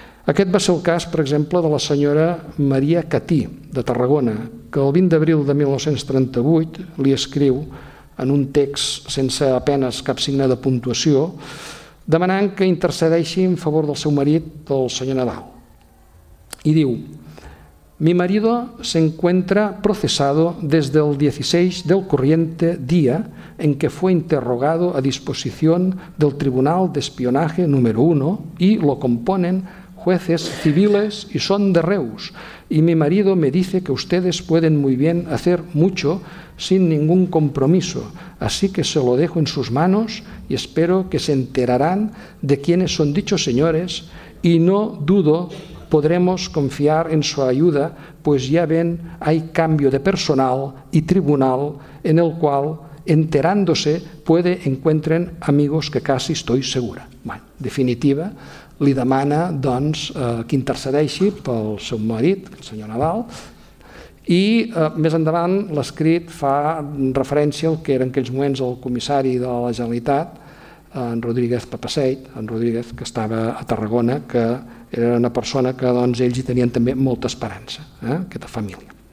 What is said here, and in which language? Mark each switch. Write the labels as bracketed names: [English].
[Catalan] Aquest va ser el cas, per exemple, de la senyora Maria Catí, de Tarragona, que el 20 d'abril de 1938 li escriu, en un text sense apenes cap signe de puntuació, demanant que intercedeixi en favor del seu marit, el senyor Nadal. Y diu: [Spanish] mi marido se encuentra procesado desde el 16 del corriente día en que fue interrogado a disposición del Tribunal de Espionaje número 1 y lo componen jueces civiles y son de Reus. Y mi marido me dice que ustedes pueden muy bien hacer mucho sin ningún compromiso, así que se lo dejo en sus manos y espero que se enterarán de quiénes son dichos señores y no dudo podremos confiar en su ayuda, pues ya ven, hay cambio de personal y tribunal en el cual enterándose puede encuentren amigos que casi estoy segura. [Catalan] Bueno, definitiva, li demana doncs, que intercedeixi pel seu marit, el senyor Nadal, i més endavant l'escrit fa referència al que era en aquells moments el comissari de la Generalitat, en Rodríguez Papaseit, en Rodríguez, que estava a Tarragona, que era una persona que doncs, ells hi tenien també molta esperança, aquesta família.